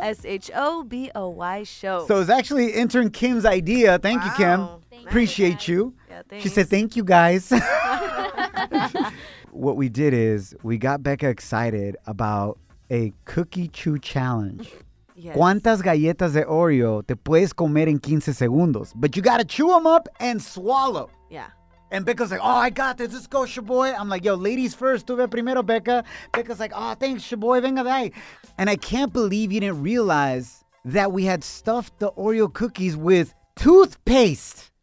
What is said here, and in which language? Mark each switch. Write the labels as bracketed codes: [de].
[en] S-H-O-B-O-Y Show. So it's actually intern Kim's idea. Thank you, Kim. Appreciate you. Yeah, thanks. She said, thank you, guys. What we did is we got Becca excited about a cookie chew challenge. Yes. [es] ¿Cuántas galletas de Oreo te puedes comer en 15 segundos? [en] But you got to chew them up and swallow. Yeah. And Becca's like, oh, I got this. Let's go, Shaboy. I'm like, yo, ladies first. [es] Tuve primero, Becca. [en] Becca's like, oh, thanks, Shaboy. Venga, dai. And I can't believe you didn't realize that we had stuffed the Oreo cookies with toothpaste.